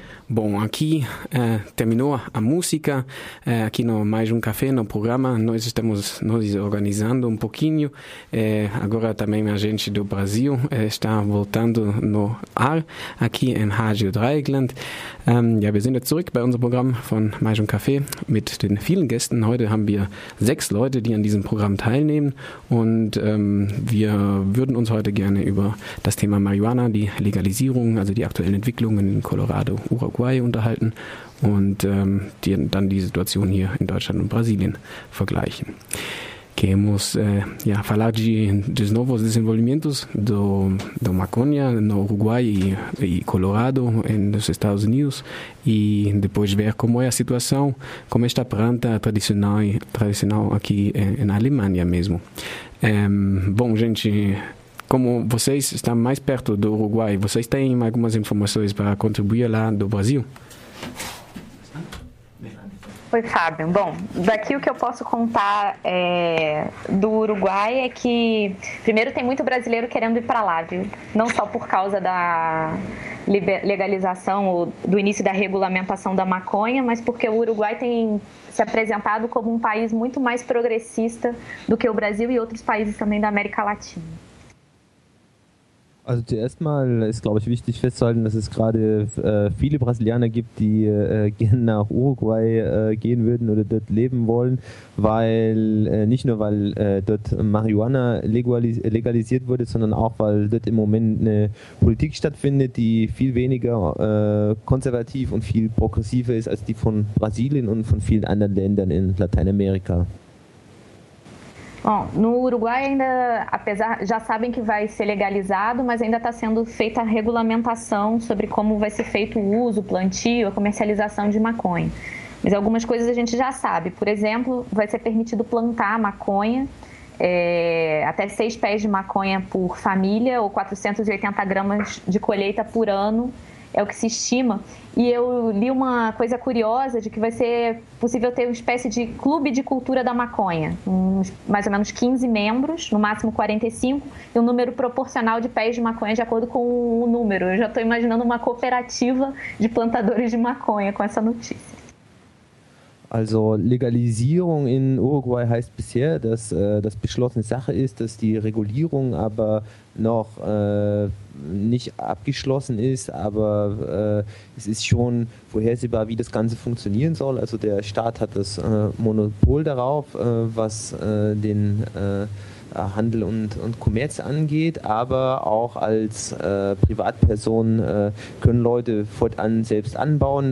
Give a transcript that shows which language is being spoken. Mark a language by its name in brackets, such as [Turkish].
[Portuguese] Bom, aqui terminou a música, aqui no Mais Um Café, no programa, nós estamos nos organizando um pouquinho, agora também a gente do Brasil está voltando no ar, aqui em Rádio Dreieckland. [German] Ja, wir sind jetzt zurück bei unserem Programm von Mais Um Café mit den vielen Gästen. Heute haben wir 6 Leute, die an diesem Programm teilnehmen und wir würden uns heute gerne über das Thema Marihuana, die Legalisierung, also die aktuellen Entwicklungen in Colorado, Uruguay unterhalten und dann die Situation hier in Deutschland und Brasilien vergleichen. [Portuguese] Queremos falar de novos desenvolvimentos do maconha no Uruguai e Colorado, nos Estados Unidos, e depois ver como é a situação com esta planta tradicional aqui na Alemanha mesmo. Bom, gente, como vocês estão mais perto do Uruguai, vocês têm algumas informações para contribuir lá do Brasil? Oi, Fábio. Bom, daqui o que eu posso contar do Uruguai é que, primeiro, tem muito brasileiro querendo ir para lá, viu? Não só por causa da legalização ou do início da regulamentação da maconha, mas porque o Uruguai tem se apresentado como um país muito mais progressista do que o Brasil e outros países também da América Latina. [German] Also zuerst mal ist, glaube ich, wichtig festzuhalten, dass es gerade viele Brasilianer gibt, die gerne nach Uruguay gehen würden oder dort leben wollen, weil nicht nur, weil dort Marihuana legalisiert wurde, sondern auch, weil dort im Moment eine Politik stattfindet, die viel weniger konservativ und viel progressiver ist als die von Brasilien und von vielen anderen Ländern in Lateinamerika. [Portuguese] Bom, no Uruguai ainda, apesar, já sabem que vai ser legalizado, mas ainda está sendo feita a regulamentação sobre como vai ser feito o uso, o plantio, a comercialização de maconha. Mas algumas coisas a gente já sabe. Por exemplo, vai ser permitido plantar maconha, até 6 pés de maconha por família ou 480 gramas de colheita por ano, é o que se estima. E eu li uma coisa curiosa de que vai ser possível ter uma espécie de clube de cultura da maconha, mais ou menos 15 membros, no máximo 45, e um número proporcional de pés de maconha de acordo com o número. Eu já estou imaginando uma cooperativa de plantadores de maconha com essa notícia. [German] Also Legalisierung in Uruguay heißt bisher, dass das beschlossene Sache ist, dass die Regulierung aber noch nicht abgeschlossen ist, aber es ist schon vorhersehbar, wie das Ganze funktionieren soll. Also der Staat hat das Monopol darauf, was den Handel und Kommerz angeht, aber auch als Privatperson können Leute fortan selbst anbauen.